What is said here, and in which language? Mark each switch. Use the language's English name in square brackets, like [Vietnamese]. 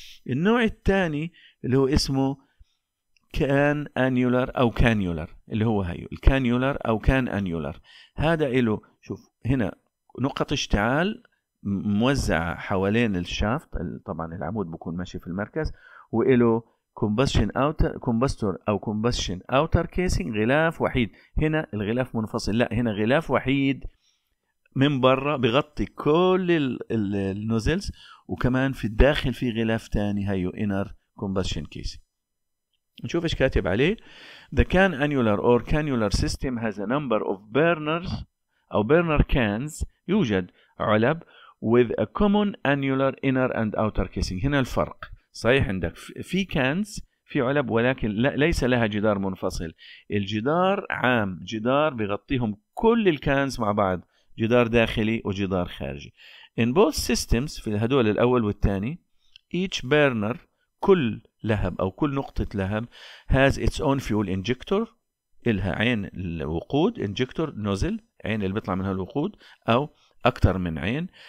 [Arabic] النوع الثاني اللي هو اسمه كان أنيولر أو كانيولر، اللي هو هيو الكانيولر أو كان أنيولر، هذا إله شوف هنا نقط اشتعال موزعة حوالين الشافت، طبعا العمود بيكون ماشي في المركز، وإله كومبشن اوتر كيسينج، غلاف وحيد، هنا الغلاف منفصل، لا هنا غلاف وحيد من برا بغطي كل النوزلز، وكمان في الداخل في غلاف ثاني هيو انر كومبشن كيس. نشوف ايش كاتب عليه. [English] The can annular or cannular system has a number of burners او burner cans، [Arabic] يوجد علب [English] with a common annular inner and outer casing. [Arabic] هنا الفرق صحيح، عندك في كانز في علب ولكن ليس لها جدار منفصل، الجدار عام، جدار بيغطيهم كل الكانز مع بعض، جدار داخلي وجدار خارجي. In both systems، في هدول الأول والثاني، each burner، كل لهب أو كل نقطة لهب [English] has its own fuel injector، [Arabic] إلها عين الوقود injector nozzle، عين اللي بيطلع منها الوقود أو أكثر من عين.